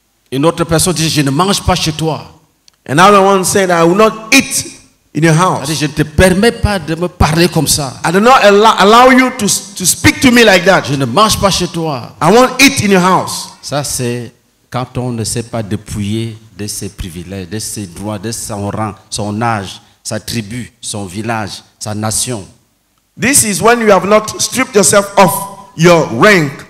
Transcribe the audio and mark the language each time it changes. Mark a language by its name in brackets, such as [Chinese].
[French] Une autre personne dit, je ne mange pas chez toi. [English] Another one said, I will not eat. In your house. [French] Je ne te permets pas de me parler comme ça. [English] I do not allow you to speak to me like that. [French] Je ne mange pas chez toi. [English] I won't eat in your house. [French] Ça c'est quand on ne sait pas dépouiller de ses privilèges, de ses droits, de son rang, son âge, sa tribu, son village, sa nation. [English] This is when you have not stripped yourself of your rank,